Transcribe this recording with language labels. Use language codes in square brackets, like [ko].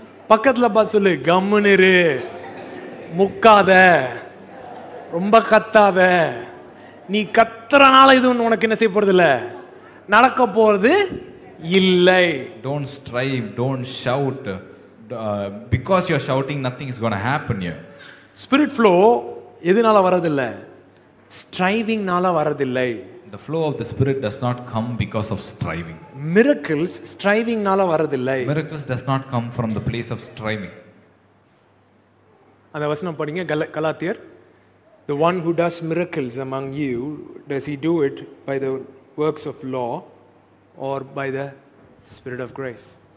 [ta] பக்கத்தில் பார்த்து சொல்லு, கம்முனிரு, முக்காத, ரொம்ப கத்தாத. நீ கத்துறனால இது உனக்கு என்ன செய்ய போறது இல்லை, நடக்க போறது இல்லை. [en] Don't strive, don't shout. Because you're shouting, nothing is going to happen here. [ta] Spirit flow எதுனால வரதில்லை? Strivingனால வரதில்லை. [en] The flow of the spirit does not come because of striving. [ta] Miracles strivingனால வரதில்லை. [en] Miracles does not come from the place of striving. [ta] அந்த வசனம் படிங்க, கலாத்தியர். [en] The one who does miracles among you, does he do it by the works of law or by the spirit of grace?